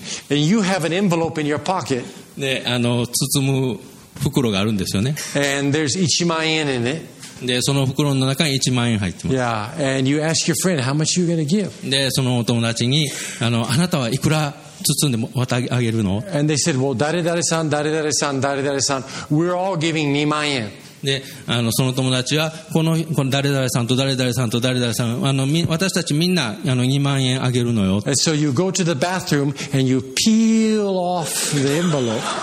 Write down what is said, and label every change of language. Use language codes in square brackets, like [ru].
[en] And you have an envelope in your pocket. [ja] で、包む袋があるんですよね。 [en] And there's 1万円 in it. [ja] で、その袋の中に1万円入ってます。 [en] Yeah, and you ask your friend, how much you gonna give? [ja] で、そのお友達に、あなたはいくら包んで渡あげるの? [en] And they said, well, [ja] 誰々さん、誰々さん、誰々さん、 [en] we're all giving 2万円。 [ja] で、その友達は、この誰々さんと誰々さんと誰々さん、私たちみんな、2万円あげるのよ。 [en] And so you go to the bathroom and you peel off the envelope.